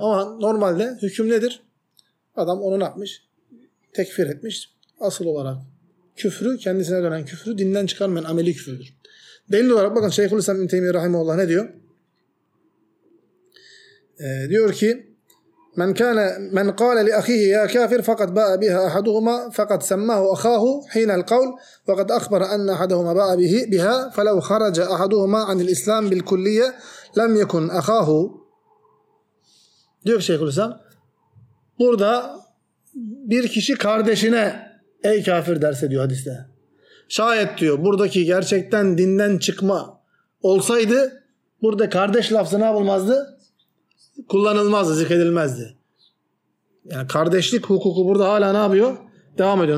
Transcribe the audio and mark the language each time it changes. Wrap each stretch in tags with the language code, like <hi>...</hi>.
<tr>Ama normalde hüküm nedir? Adam onu ne yapmış? Tekfir etmiş. Asıl olarak küfrü, kendisine dönen küfrü dinden çıkarmayan ameli küfürdür. Delil olarak bakın Şeyhülislam İbn Teymiyye Rahimullah ne diyor? Diyor ki</tr> <ar>من كان من قال لأخيه يا كافر فقد باء بها أحدهما فقد سماه أخاه حين القول وقد أخبر أن أحدهما باء به بها فلو خرج أحدهما عن الإسلام بالكلية لم يكن أخاه.</ar> <tr>Diyor Şeyh Hulusi, burada bir kişi kardeşine ey kafir derse diyor hadiste. Şayet diyor buradaki gerçekten dinden çıkma olsaydı burada kardeş lafzı ne bulmazdı? Kullanılmazdı, zikredilmezdi. Yani kardeşlik hukuku burada hala ne yapıyor? Devam ediyor.</tr>